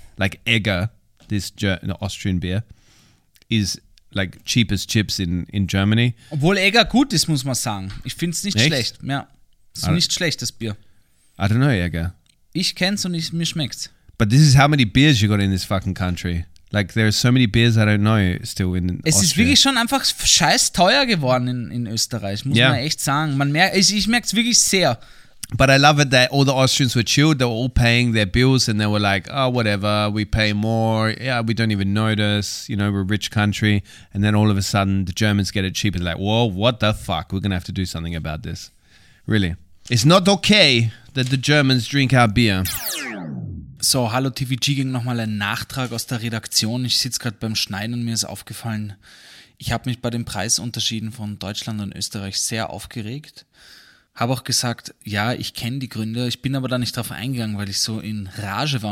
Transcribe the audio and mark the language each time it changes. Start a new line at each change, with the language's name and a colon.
English: Like Egger, this Austrian beer, is like cheap as chips in Germany.
German: Obwohl Egger gut ist, muss man sagen. Ich finde es nicht schlecht. Ja, es ist nicht schlecht, das Bier.
English: I don't know, Egger.
German: Ich kenn's und mir schmeckt's.
English: But this is how many beers you got in this fucking country. Like, there are so many beers I don't know still in Austria.
German: Es ist wirklich schon einfach scheiß teuer geworden in Österreich, muss man echt sagen. Ich merk's wirklich sehr.
English: But I love it that all the Austrians were chilled. They were all paying their bills and they were like, oh, whatever, we pay more. Yeah, we don't even notice. You know, we're a rich country. And then all of a sudden, the Germans get it cheaper. They're like, whoa, what the fuck? We're going to have to do something about this. Really. It's not okay that the Germans drink our beer.
German: So, hallo TVG, ging nochmal ein Nachtrag aus der Redaktion. Ich sitze gerade beim Schneiden und mir ist aufgefallen, ich habe mich bei den Preisunterschieden von Deutschland und Österreich sehr aufgeregt. Habe auch gesagt, ja, ich kenne die Gründe. Ich bin aber da nicht drauf eingegangen, weil ich so in Rage war.